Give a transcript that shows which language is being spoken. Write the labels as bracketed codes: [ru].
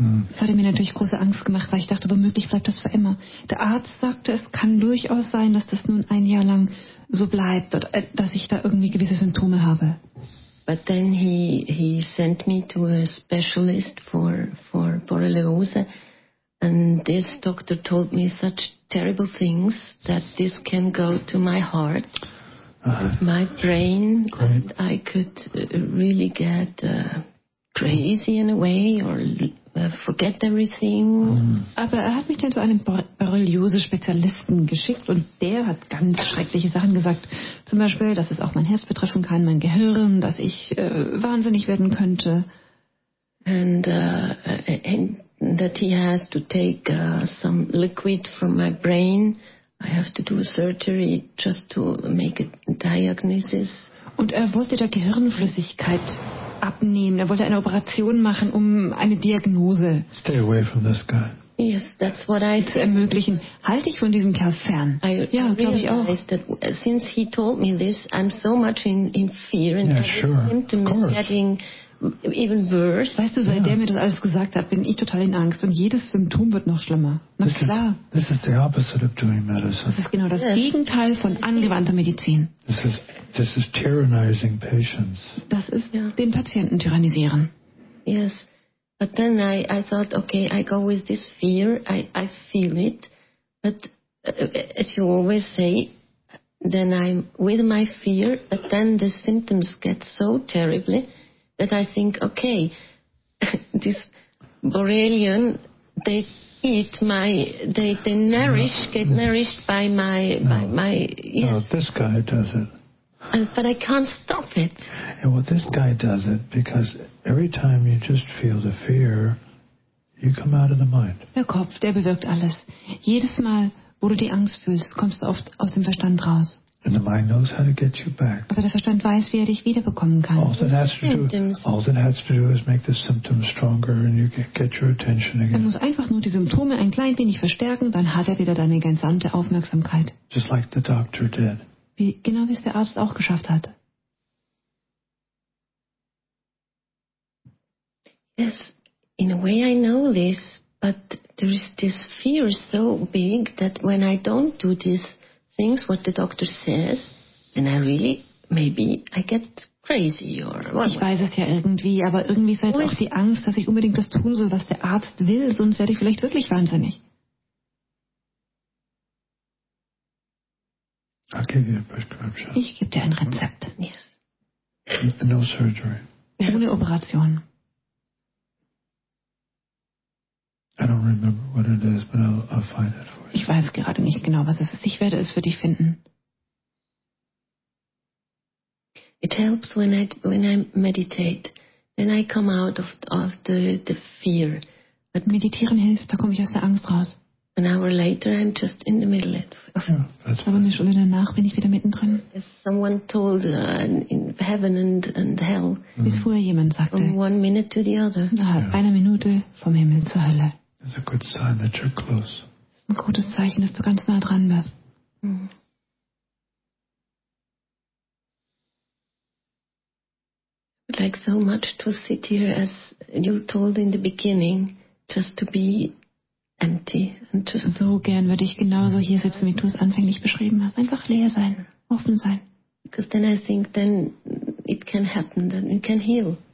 [de] Das hatte mir natürlich große Angst gemacht, weil ich dachte, womöglich bleibt das für immer. Der Arzt sagte, es kann durchaus sein, dass das nun ein Jahr lang so bleibt, oder, dass ich da irgendwie gewisse Symptome habe. [en] But then he sent me to a specialist for Borreliose, and this doctor told me such terrible things that this can go to my heart, my brain, great. And I could really get crazy in a way or forget everything. Mm. [de] Aber er hat mich dann zu einem Borreliose-Spezialisten geschickt und der hat ganz schreckliche Sachen gesagt. Zum Beispiel, dass es auch mein Herz betreffen kann, mein Gehirn, dass ich wahnsinnig werden könnte. [en] And that he has to take some liquid from my brain. I have to do a surgery just to make a diagnosis. [de] Und er wollte der Gehirnflüssigkeit abnehmen. Er wollte eine Operation machen, um eine Diagnose [en] stay away from this guy. Yes, that's what I [de] zu ermöglichen. Halte ich von diesem Kerl fern? Ja, glaube ich auch. [en] That, since he told me this, I'm so much in fear and yeah, sure. Symptoms of course. Getting even worse. [de] Weißt du, seit [en] yeah. [de] der mir das alles gesagt hat, bin ich total in Angst und jedes Symptom wird noch schlimmer. Na [en] this [de] klar. [en] This is the opposite of doing medicine. [de] Das ist genau das [en] yes. [de] Gegenteil von angewandter Medizin. [en] This is tyrannizing patients. [de] Das ist [en] yeah. [de] den Patienten tyrannisieren. [en] Yes, but then I thought, okay, I go with this fear, I feel it, but as you always say, then I'm with my fear, but then the symptoms get so terribly. That I think, okay, this Borrelian, they eat my, they nourish, no. get nourished by my, no. by my. Yes. No, this guy does it. But I can't stop it. And well, this guy does it because every time you just feel the fear, you come out of the mind. [de] Der Kopf, der bewirkt alles. Jedes Mal, wo du die Angst fühlst, kommst du oft aus dem Verstand raus. [en] And the mind knows how to get you back. [de] Aber der Verstand weiß, wie er dich wiederbekommen kann. [en] All that has to do is make the symptoms stronger and you get your attention again. [de] Er muss einfach nur die Symptome ein klein wenig verstärken, dann hat er wieder deine gesamte Aufmerksamkeit. [en] Just like the doctor did. [de] Genau wie es der Arzt auch geschafft hat. [en] Yes, in a way I know this, but there is this fear so big that when I don't do this, things what the doctor says, and I really, maybe I get crazy or what. [de] Ich weiß es ja irgendwie, aber irgendwie ist auch die Angst, dass ich unbedingt das tun soll, was der Arzt will, sonst werde ich vielleicht wirklich wahnsinnig. [en] I'll give you a prescription. [de] Ich gebe dir ein Rezept. [en] Yes. No surgery. [de] Ohne Operation. [en] I don't remember what it is, but I'll find it for you. [de] Ich weiß gerade nicht genau, was es ist. Ich werde es für dich finden. [en] It helps when I meditate. Then I come out of the fear. But [de] meditieren hilft, da komme ich aus der Angst raus. [en] An hour later, I'm just in the middle of it. [de] Aber eine Stunde danach bin ich wieder mittendrin. [en] As someone told in heaven and hell. [de] Mm-hmm. Wie vorher jemand sagte. [en] From 1 minute to the other. [de] Ja, [en] yeah. [de] Eine Minute vom Himmel zur Hölle. [en] It's a good sign that you're close. [de] Das ist ein gutes Zeichen, dass du ganz nah dran bist. Mm-hmm. [en] Like so much to sit here as you told in the beginning, just to be empty and just. [de] So gern würde ich genauso hier sitzen, wie du es anfänglich beschrieben hast. Einfach leer sein, offen sein. [en] Because then I think then it can happen, then it can heal.